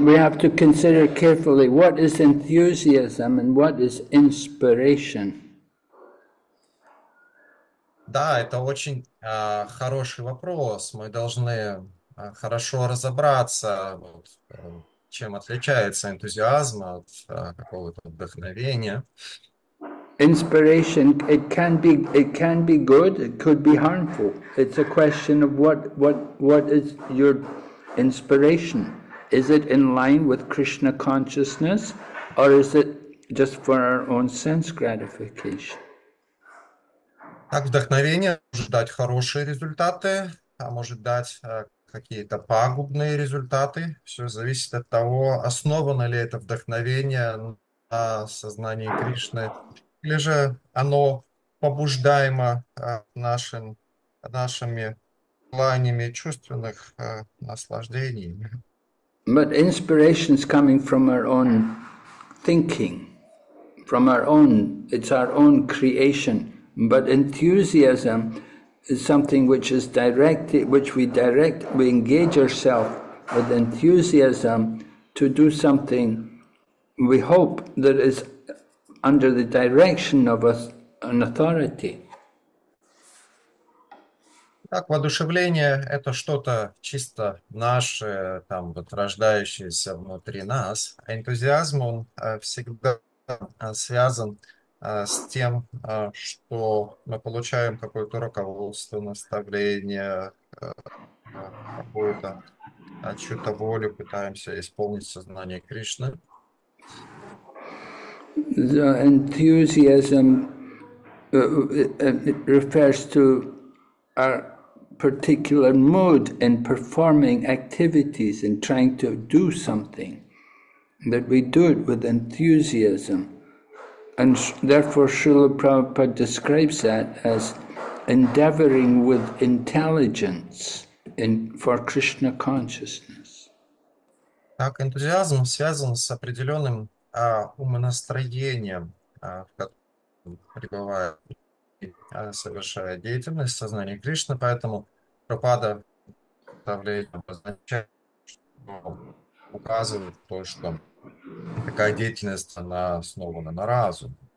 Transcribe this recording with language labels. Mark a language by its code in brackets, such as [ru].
[en] We have to consider carefully what is enthusiasm and what is inspiration. [ru] Да, это очень хороший вопрос. Мы должны хорошо разобраться, вот, чем отличается энтузиазм от какого-то вдохновения. [en] Inspiration, it can be good, it could be harmful. It's a question of what is your inspiration? Is it in line with Krishna consciousness, or is it just for our own sense gratification? [ru] Так, вдохновение может дать хорошие результаты, а может дать какие-то пагубные результаты. Все зависит от того, основано ли это вдохновение на сознании Кришны, или же оно побуждаемо нашими желаниями чувственных наслаждений. [en] But inspiration is coming from our own thinking, from our own, it's our own creation. But enthusiasm is something which is directed, which we direct, we engage ourselves with enthusiasm to do something we hope that is under the direction of an authority. [ru] Так, воодушевление — это что-то чисто наше, там, вот, рождающееся внутри нас. А энтузиазм, он всегда связан с тем, что мы получаем какое-то руководство, наставление, какую-то чью-то волю пытаемся исполнить сознание Кришны. [en] The enthusiasm it refers to our particular mood in performing activities and trying to do something, that we do it with enthusiasm. And therefore Srila Prabhupada describes that as endeavoring with intelligence in for Krishna consciousness. [ru] Так, энтузиазм связан с определенным умонастроением, в котором пребывает и совершает деятельность сознания Кришны, поэтому Прабхупада давление обозначает, что указывает то, что такая деятельность, она основана на разуме.